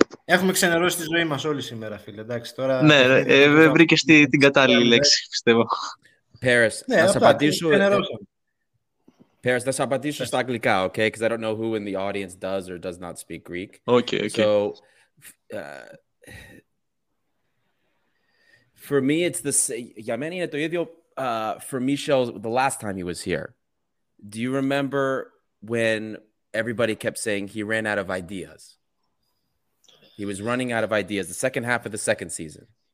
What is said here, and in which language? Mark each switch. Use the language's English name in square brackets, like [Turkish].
[Greek] Έχουμε ξενερώσει τη ζωή μας όλη σήμερα, φίλε. Εντάξει, τώρα... Ναι, βρήκες την κατάλληλη λέξη, πιστεύω. Paris, ναι, θα σε απαντήσω... Paris, θα σε απαντήσω στα αγγλικά, okay? [English] Because I don't know who in the audience does or does not speak Greek. Okay. So, for me, it's the same... [Greek] Για μένα είναι το ίδιο [English] for Michel the last time he was here. Do you remember when everybody kept saying he ran out of ideas? He was running out of ideas the second half of the second season.